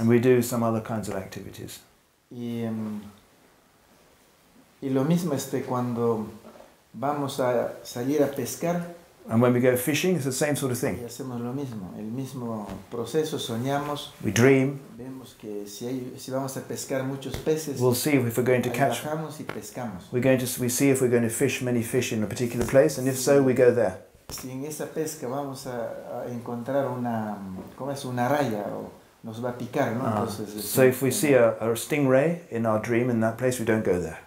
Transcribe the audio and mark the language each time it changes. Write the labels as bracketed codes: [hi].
[en] And we do some other kinds of activities. [es] Y lo mismo cuando vamos a salir a pescar. [en] And when we go fishing, it's the same sort of thing. [es] Y hacemos lo mismo, el mismo proceso, soñamos. [en] We dream. [es] Vemos que si vamos a pescar muchos peces. [en] We'll see if we're going to catch. [es] Alejamos y pescamos. [en] We see if we're going to fish many fish in a particular place, and if so, we go there. [es] Si en esa pesca vamos a encontrar una, ¿cómo es? Una raya o nos va a picar, ¿no? Entonces, [en] so if we see a stingray in our dream in that place, we don't go there.